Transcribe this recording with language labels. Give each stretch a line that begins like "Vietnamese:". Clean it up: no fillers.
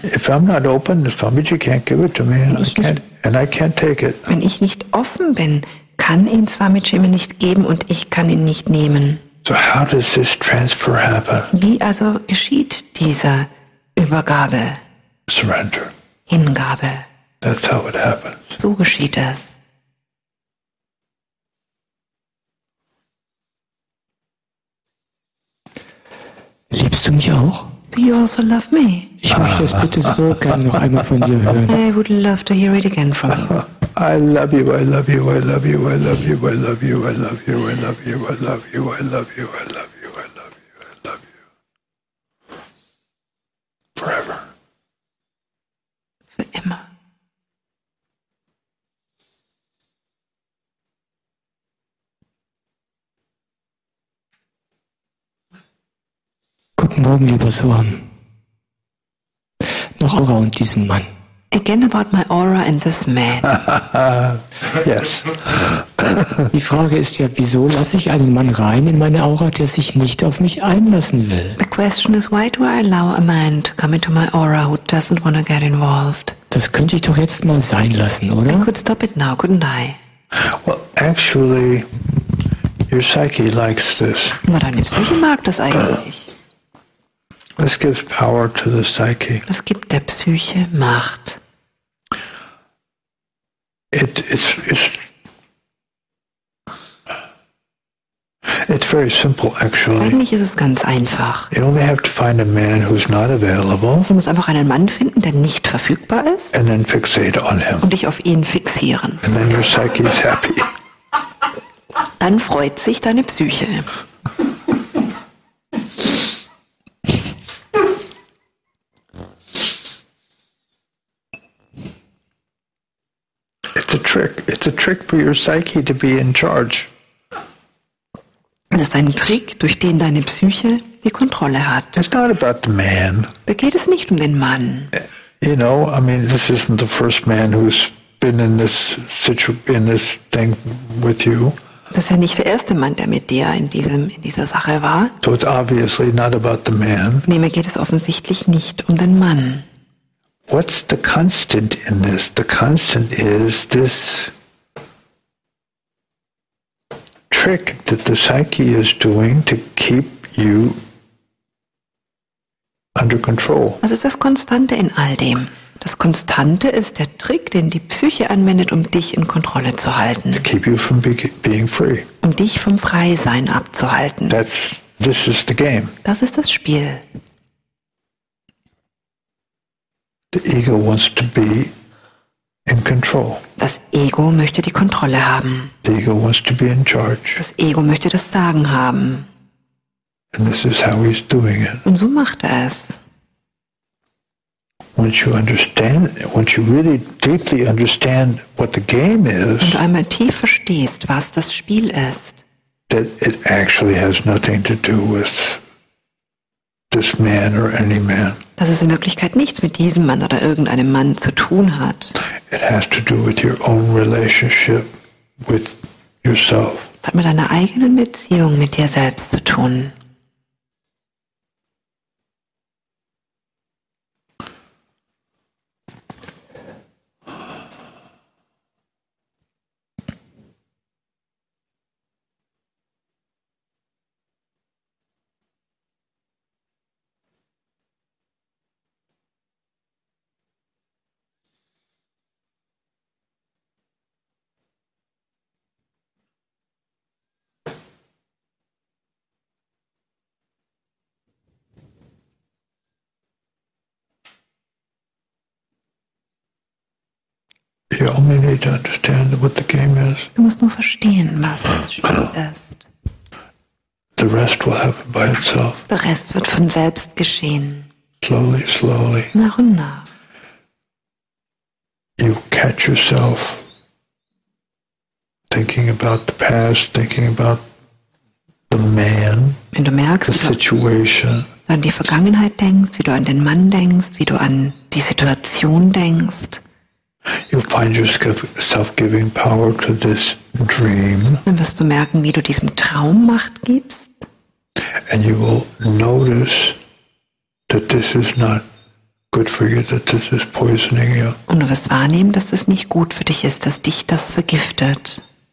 English: If I'm not open, Swamiji can't give it to me. And I can't take it.
German: Wenn ich nicht offen bin, kann ihn Swamiji mir nicht geben und ich kann ihn nicht nehmen.
English: So how does this transfer happen?
German: Wie also geschieht diese Übergabe?
English: Surrender.
German: Hingabe.
English: That's how it happens.
German: So geschieht es. Liebst du mich auch?
English: Do you also love me?
German: Ich möchte es bitte so gerne noch einmal von dir hören.
English: I would love to hear it again from you. I love you, I love you, I love you, I love you, I love you, I love you, I love you, I love you, I love you, I love you, I love you, I love you. Forever.
German: Für immer. Guten Morgen, lieber Suam.
English: your aura
German: und diesen Mann.
English: Again about my aura and this man. Yes.
German: Die Frage ist ja, wieso lasse ich einen Mann rein in meine Aura, der sich nicht auf mich einlassen will?
English: The question is, why do I allow a man to come into my aura who doesn't want to get involved?
German: Das könnte ich doch jetzt mal sein lassen, oder?
English: I could stop it now, couldn't I? Well, actually, your psyche likes this.
German: Na, deine Psyche mag das eigentlich.
English: This gives power to the psyche.
German: Das gibt der Psyche Macht.
English: It's very simple, actually.
German: Eigentlich ist es ganz einfach.
English: You only have to find a man who's not available.
German: Du musst einfach einen Mann finden, der nicht verfügbar ist.
English: And then fixate on him.
German: Und dich auf ihn fixieren.
English: And then your psyche is happy.
German: Dann freut sich deine Psyche.
English: It's a trick for your psyche to be in charge.
German: Das ist ein Trick, durch den deine Psyche die Kontrolle hat.
English: It's not about the man.
German: Da geht es nicht um den Mann.
English: You know, I mean, this isn't the first man who's been in this thing with you.
German: Das ist ja nicht der erste Mann, der mit dir in dieser Sache war.
English: So it's obviously not about the man.
German: Nee, mir geht es offensichtlich nicht um den Mann.
English: What's the constant in this? The constant is this trick that the psyche is doing to keep you under control.
German: Was ist das Konstante in all dem? Das Konstante ist der Trick, den die Psyche anwendet, um dich in Kontrolle zu halten.
English: To keep you from being free.
German: Um dich vom Freisein abzuhalten.
English: This is the game.
German: Das ist das Spiel.
English: The ego wants to be in control.
German: Das Ego möchte die Kontrolle haben.
English: The ego wants to be in charge.
German: Das Ego möchte das Sagen haben.
English: And this is how he's doing it.
German: Und so macht er es.
English: Once you really deeply understand what the game is.
German: Wenn du einmal tief verstehst, was das Spiel ist.
English: That it actually has nothing to do with this man or any man.
German: Dass es in Wirklichkeit nichts mit diesem Mann oder irgendeinem Mann zu tun hat.
English: It has to do with your own relationship with yourself.
German: Es hat mit deiner eigenen Beziehung mit dir selbst zu tun.
English: You only need to understand what the game is.
German: Du musst nur verstehen, was das Spiel ist.
English: The rest will happen by itself.
German: Der Rest wird von selbst geschehen.
English: Slowly, slowly.
German: Nach und nach.
English: You catch yourself thinking about the past, thinking about the man.
German: Wenn du merkst,
English: the situation.
German: Wie du an die Vergangenheit denkst, wie du an den Mann denkst, wie du an die Situation denkst.
English: You find yourself giving power to this dream.
German: Dann wirst du merken, wie du diesem Traum Macht gibst.
English: And you will notice that this is not good for you, that this is poisoning you.
German: Und du wirst wahrnehmen, dass es nicht gut für dich ist, dass dich das vergiftet.